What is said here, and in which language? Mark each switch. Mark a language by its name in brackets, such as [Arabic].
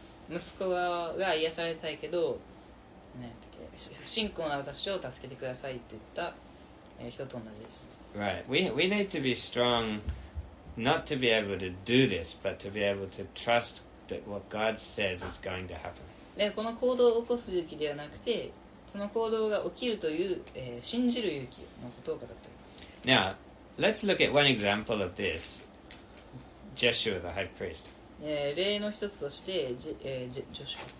[Japanese] 息子が癒されたいけど。不信仰な私を助けてくださいと言った人と同じです。 [English] Right. We need to be strong not to be able to do this, but to be able to trust that what God says is going to happen. [Japanese] で、この行動を起こす勇気ではなくて、その行動が起きるという、信じる勇気のことを語っています。 [English] Now, let's look at one example of this. Jeshua, the high priest. [Japanese] 例の一つとして、ジョシュア。